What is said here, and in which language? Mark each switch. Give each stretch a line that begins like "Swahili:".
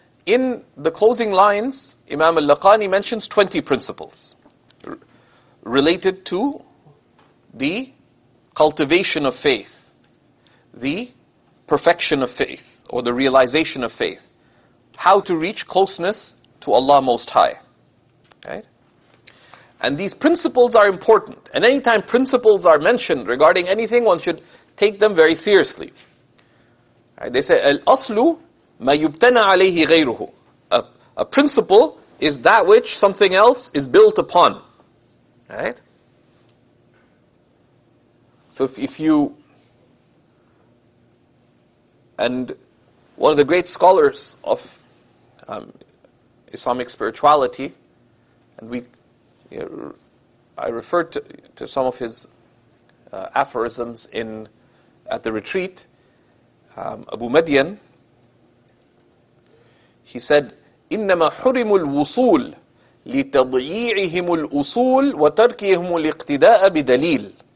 English: In the closing lines, Imam Al-Laqani mentions 20 principles related to the cultivation of faith, the perfection of faith, or the realization of faith, how to reach closeness to Allah Most High. Right? And these principles are important. And anytime principles are mentioned regarding anything, one should take them very seriously. Right? They say,
Arabic: الْأَصْلُ مَا يُبْتَنَى عَلَيْهِ غَيْرُهُ.
English: A principle is that which something else is built upon. Right? So and one of the great scholars of Islamic spirituality, and I referred to some of his aphorisms at the retreat, Abu Madian, he said,
Arabic: إِنَّمَا حُرِمُ الْوُصُولِ لِتَضْيِيعِهِمُ الْأُصُولِ وَتَرْكِهِمُ الْإِقْتِدَاءَ بِدَلِيلِ.